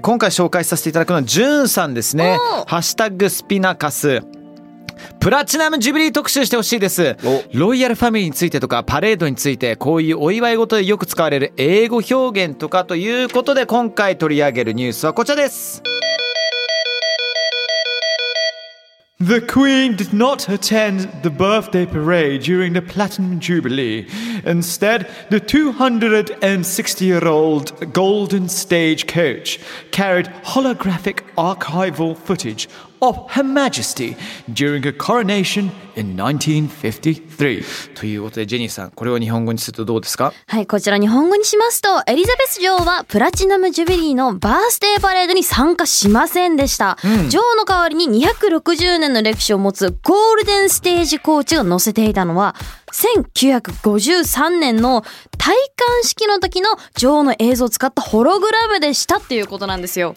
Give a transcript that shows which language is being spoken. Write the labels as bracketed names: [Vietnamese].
[Japanese] 今回紹介させていただくのはジュンさんですね。ハッシュタグスピナカス、プラチナムジュビリー特集してほしいです。ロイヤルファミリーについてとかパレードについて、こういうお祝い事でよく使われる英語表現とかということで、今回取り上げるニュースはこちらです。 [English] The Queen did not attend the birthday parade during the Platinum Jubilee. Instead, the 260-year-old golden stagecoach carried holographic archival footage of Her Majesty during her coronation in 1953. [Japanese] ということで、ジェニーさん、これを日本語にするとどうですか？はい、こちら日本語にしますと、エリザベス女王はプラチナムジュビリーのバースデーパレードに参加しませんでした。うん、女王の代わりに260年の歴史を持つゴールデンステージコーチが乗せていたのは、1953年の戴冠式の時の女王の映像を使ったホログラムでしたっていうことなんですよ。